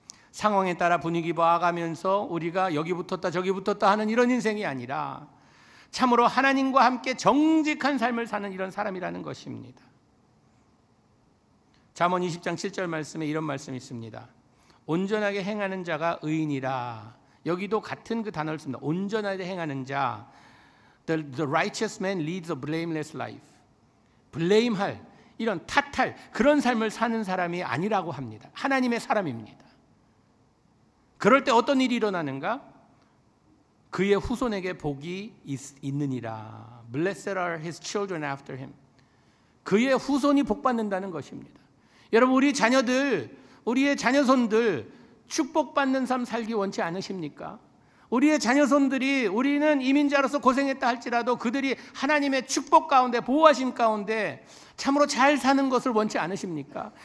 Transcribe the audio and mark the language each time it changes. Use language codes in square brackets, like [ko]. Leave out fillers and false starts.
[ko] 상황에 따라 분위기 봐가면서 우리가 여기 붙었다 저기 붙었다 하는 이런 인생이 아니라 참으로 하나님과 함께 정직한 삶을 사는 이런 사람이라는 것입니다. 잠언 20장 7절 말씀에 이런 말씀이 있습니다. 온전하게 행하는 자가 의인이라. 여기도 같은 그 단어를 씁니다. 온전하게 행하는 자. [en] The righteous man leads a blameless life. [ko] 블레임할, 이런 탓할 그런 삶을 사는 사람이 아니라고 합니다. 하나님의 사람입니다. 그럴 때 어떤 일이 일어나는가? 그의 후손에게 복이 있느니라. [en] Blessed are his children after him. [ko] 그의 후손이 복받는다는 것입니다. 여러분, 우리 자녀들, 우리의 자녀손들 축복받는 삶 살기 원치 않으십니까? 우리의 자녀손들이 우리는 이민자로서 고생했다 할지라도 그들이 하나님의 축복 가운데, 보호하심 가운데 참으로 잘 사는 것을 원치 않으십니까?